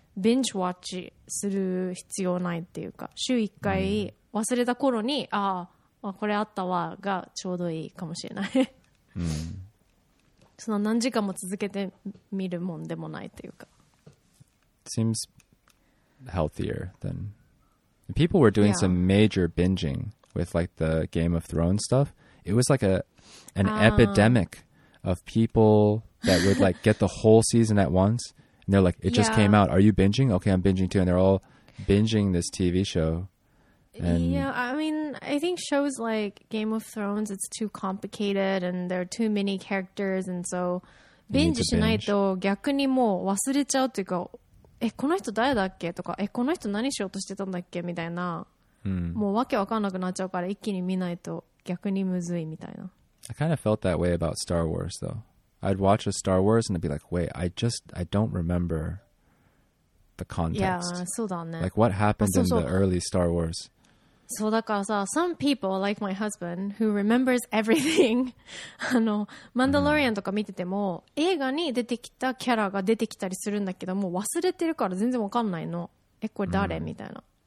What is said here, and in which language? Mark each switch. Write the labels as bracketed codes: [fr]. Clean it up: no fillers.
[ja] ビンチワッチする必要ないっていうか、週1回忘れた頃に、ああ、これあったわがちょうどいいかもしれない。その何時間も続けて見るもんでもないっていうか。 [en] Seems healthier than... People were doing some major binging with like the Game of Thrones stuff. It was like an epidemic of people that would like get the whole season at once. And they're like, it just came out. Are you binging? Okay, I'm binging too. And they're all binging this TV show. And yeah, I mean, I think shows like Game of Thrones, it's too complicated and there are too many characters. And so, [ja] binge しないと逆にもう忘れちゃうというか、え、この人誰だっけ?とか、え、この人何しようとしてたんだっけ?みたいな。もうわけわかんなくなっちゃうから一気に見ないと逆にむずいみたいな。 [en] I kind of felt that way about Star Wars, though. I'd watch a Star Wars and I'd be like, wait, I don't remember the context. [ja] Yeah, そうだね。 [en] Like what happened in the early Star Wars? [ja] そうだからさ、 [en] some people, like my husband, who remembers everything, [ja] あの、Mandalorian とか見てても、映画に出てきたキャラが出てきたりするんだけど、もう忘れてるから全然わかんないの。え、これ誰?みたいな。